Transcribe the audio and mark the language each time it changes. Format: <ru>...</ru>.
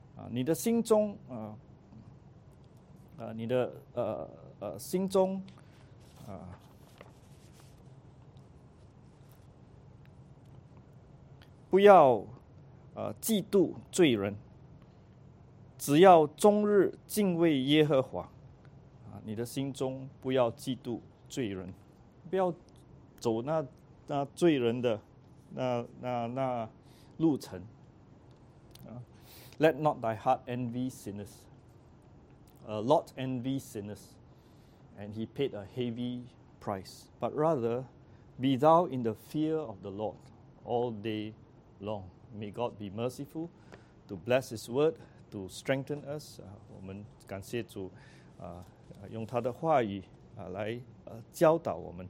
<zh>你的心中你的心中不要嫉妒罪人，只要终日敬畏耶和华。你的心中不要嫉妒罪人，不要走那罪人的那路程。</zh> <en>Let not thy heart envy sinners. A lot envy sinners, and he paid a heavy price. But rather, be thou in the fear of the Lord all day long. May God be merciful to bless His word, to strengthen us.</en> <zh>我们感谢主，用他的话语来教导我们。</zh>